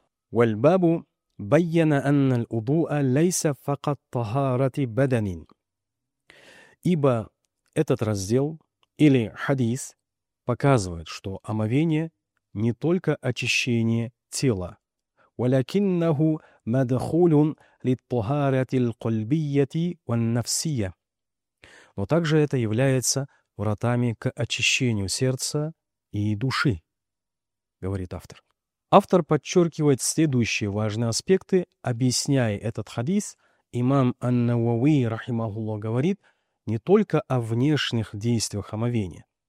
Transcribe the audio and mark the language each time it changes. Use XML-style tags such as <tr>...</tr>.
<ar>Вальбабу байяна анна л-удуа лейса факат тахарати баданин.</ar> <ru>Ибо этот раздел или хадис показывает, что омовение не только очищение тела,</ru> <ar>ولكنه مدخول للطهارة القلبية والنفسية.</ar> <ru>Но также это является вратами к очищению сердца и души, говорит автор. Автор подчеркивает следующие важные аспекты, объясняя этот хадис. Имам ан-Науи, рахимахуллах, говорит не только о внешних действиях омовения.</ru>